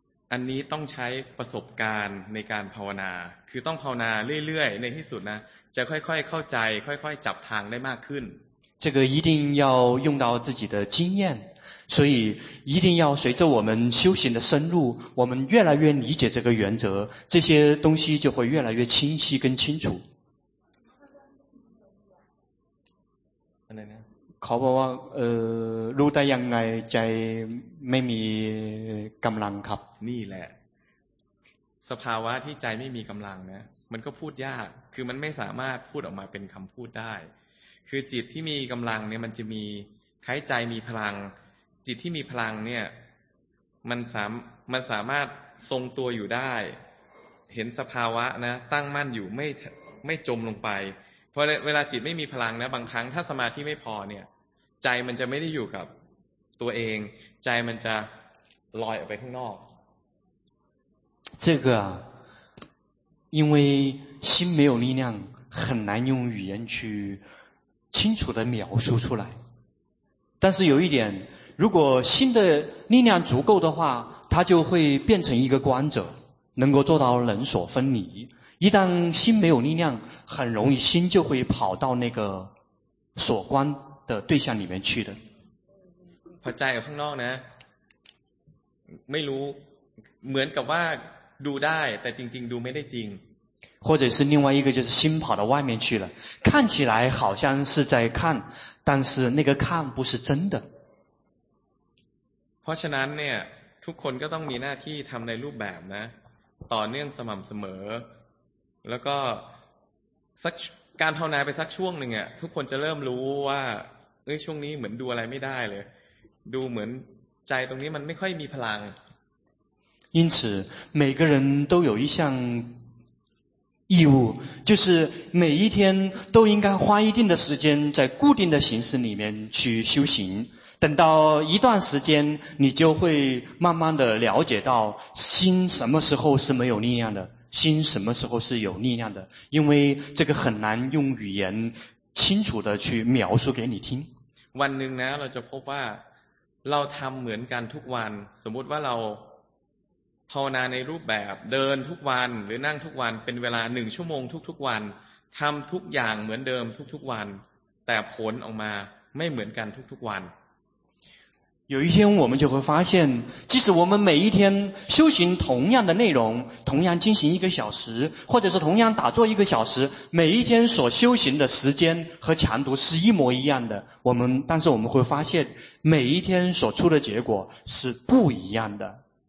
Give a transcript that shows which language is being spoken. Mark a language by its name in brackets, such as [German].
[Thai] อันนี้ต้องใช้ประสบการณ์ในการภาวนาคือต้องภาวนาเรื่อยๆในที่สุดนะจะค่อยๆเข้าใจค่อยๆจับทางได้มากขึ้น [Chinese] 这个一定要用到自己的经验，所以一定要随着我们修行的深入，我们越来越理解这个原则，这些东西就会越来越清晰跟清楚。 [Thai] อะไรนะ เขาบอกว่ารู้ได้ยังไงใจไม่มีกำลังครับ นี่แหละสภาวะที่ใจไม่มีกำลังนะมันก็พูดยากคือมันไม่สามารถพูดออกมาเป็นคำพูดได้คือจิตที่มีกำลังเนี่ยมันจะมีใช้ใจมีพลังจิตที่มีพลังเนี่ย มันสามารถทรงตัวอยู่ได้เห็นสภาวะนะตั้งมั่นอยู่ไม่จมลงไปเพราะเวลาจิตไม่มีพลังนะบางครั้งถ้าสมาธิไม่พอเนี่ยใจมันจะไม่ได้อยู่กับตัวเองใจมันจะลอยออกไปข้างนอก [Chinese] 这个因为心没有力量很难用语言去清楚的描述出来但是有一点如果心的力量足够的话它就会变成一个观者能够做到人所分离一旦心没有力量很容易心就会跑到那个所观的对象里面去的 [Thai] พอใจอยู่ข้างนอกนะไม่รู้เหมือนกับว่าดูได้แต่จริงๆดูไม่ได้จริง [Chinese] 或者是另外一个就是心跑到外面去了看起来好像是在看但是那个看不是真的 [Thai] เพราะฉะนั้นเนี่ยทุกคนก็ต้องมีหน้าที่ทำในรูปแบบนะต่อเนื่องสม่ำเสมอแล้วก็สักการภาวนาไปสักช่วงหนึ่งอ่ะทุกคนจะเริ่มรู้ว่าเอ้ยช่วงนี้เหมือนดูอะไรไม่ได้เลยดูเหมือนใจตรงนี้มันไม่ค่อยมีพลัง [Chinese] 因此每个人都有一项义务就是每一天都应该花一定的时间在固定的形式里面去修行等到一段时间你就会慢慢的了解到心什么时候是没有力量的心什么时候是有力量的因为这个很难用语言清楚的去描述给你听 [Thai] วันหนึ่งนะเราจะพบว่าเราทำเหมือนกันทุกวันสมมติว่าเราภาวนาในรูปแบบเดินทุกวันหรือนั่งทุกวันเป็นเวลา1ชั่วโมงทุกๆวันทำทุกอย่างเหมือนเดิมทุกๆวันแต่ผลออกมาไม่เหมือนกันทุกๆวัน [Chinese] 有一天我们就会发现即使我们每一天修行同样的内容同样进行一个小时或者是同样打坐一个小时每一天所修行的时间和强度是一模一样的但是我们会发现每一天所出的结果是不一样的